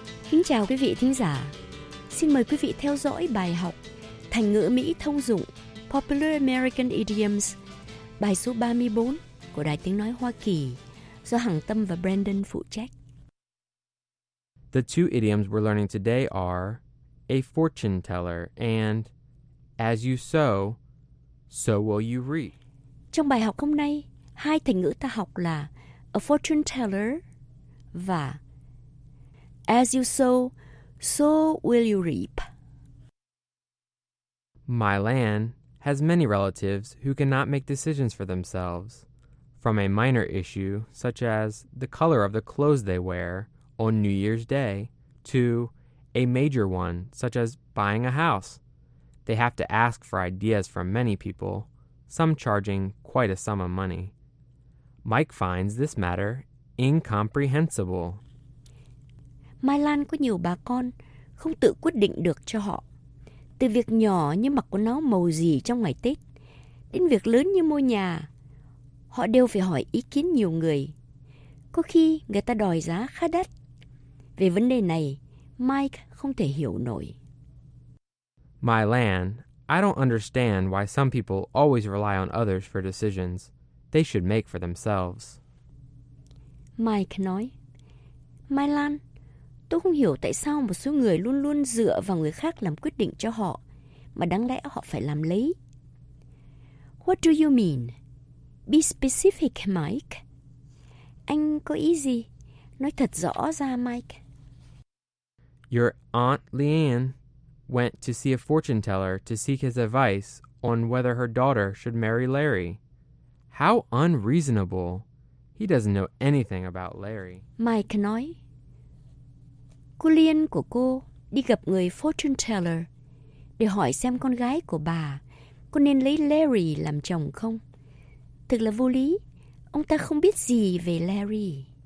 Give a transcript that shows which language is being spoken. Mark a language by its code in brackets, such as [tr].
[vi] Kính chào quý vị thính giả. Xin mời quý vị theo dõi bài học Thành ngữ Mỹ thông dụng [en] Popular American Idioms, [vi] bài số 34 của Đài Tiếng Nói Hoa Kỳ, do Hằng Tâm và Brandon phụ trách. [en] The two idioms we're learning today are a fortune teller and as you sow, so will you reap. [vi] Trong bài học hôm nay, hai thành ngữ ta học là [en] a fortune teller [vi] và [en] as you sow, so will you reap. My Lan has many relatives who cannot make decisions for themselves, from a minor issue such as the color of the clothes they wear on New Year's Day to a major one such as buying a house. They have to ask for ideas from many people, some charging quite a sum of money. Mike finds this matter incomprehensible. [vi] Mai Lan có nhiều bà con không tự quyết định được cho họ. Từ việc nhỏ như mặc quần áo màu gì trong ngày Tết, đến việc lớn như mua nhà, họ đều phải hỏi ý kiến nhiều người. Có khi người ta đòi giá khá đắt. Về vấn đề này, Mike không thể hiểu nổi. [en] My Lan, I don't understand why some people always rely on others for decisions they should make for themselves. [vi] Mike nói, Mai Lan, tôi không hiểu tại sao một số người luôn luôn dựa vào người khác làm quyết định cho họ, mà đáng lẽ họ phải làm lấy. [en] What do you mean? Be specific, Mike. [vi] Anh có ý gì? Nói thật rõ ra, Mike. [en] Your Aunt Leanne went to see a fortune teller to seek his advice on whether her daughter should marry Larry. How unreasonable. He doesn't know anything about Larry. [vi] Mike nói, cô Liên của cô đi gặp người fortune teller để hỏi xem con gái của bà có nên lấy Larry làm chồng không. Thực là vô lý, ông ta không biết gì về Larry.